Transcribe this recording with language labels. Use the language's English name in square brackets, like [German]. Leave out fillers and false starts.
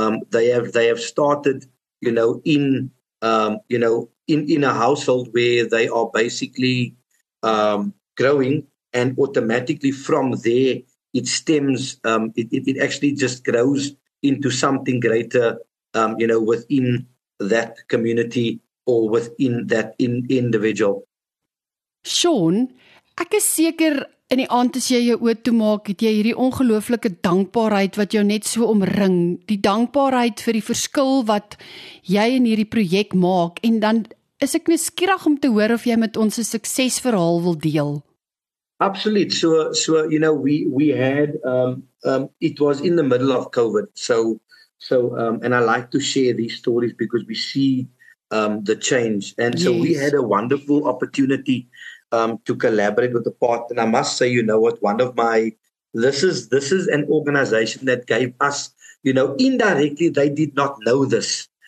[English] They have started, you know, in a household where they are basically growing, and automatically from there it stems, it actually just grows into something greater, you know, within that community or within that individual. [Afrikaans] Sean, ek is seker in die aand as jy jou oë toemaak, het jy hierdie ongelooflike dankbaarheid wat jou net so omring, die dankbaarheid vir die verskil wat jy in hierdie projek maak, en dan is ek nieuwsgierig om te hoor of jy met ons 'n suksesverhaal wil deel. Absoluut. [English] So you know, we had it was in the middle of COVID. So and I like to share these stories because we see the change. And so yes, we had a wonderful opportunity to collaborate with the partner. And I must say, you know what, this is an organization that gave us, you know, indirectly, they did not know this.